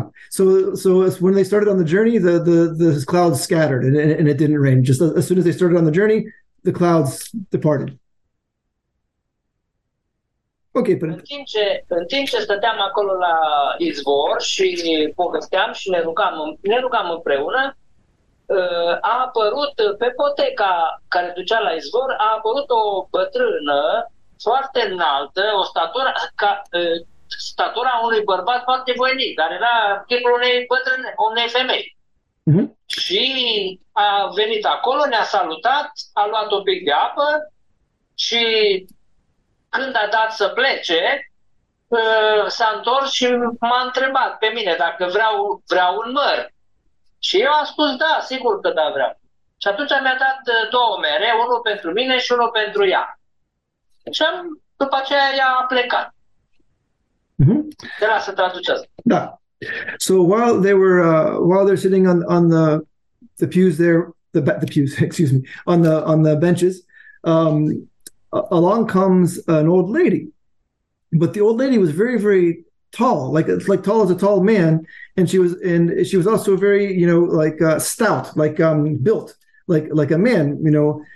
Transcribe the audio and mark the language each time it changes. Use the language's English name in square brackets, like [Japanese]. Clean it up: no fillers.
[English] So when they started on the journey, the clouds scattered and it didn't rain. Just as soon as they started on the journey, the clouds departed. Okay, but [Romanian] în timp ce stăteam acolo la izvor și povesteam și ne rugam împreună, a apărut pe poteca care ducea la izvor, a apărut o bătrână foarte înaltă, o statură ca statura unui bărbat foarte voinic, dar era tipul unei bătrâne, unei femei. Mm-hmm. Și a venit acolo, ne-a salutat, a luat un pic de apă și când a dat să plece, s-a întors și m-a întrebat pe mine dacă vreau un măr. Și eu am spus da, sigur că da, vreau. Și atunci mi-a dat 2 mere, unul pentru mine și unul pentru ea. Și după aceea ea a plecat. Mm-hmm. Te las să traducesc. Da. [English] So while they're sitting on the pews there, the pews, excuse me, on the benches, along comes an old lady, but the old lady was very, very tall, like tall as a tall man, and she was also very, you know, like stout, like built, like a man, you know.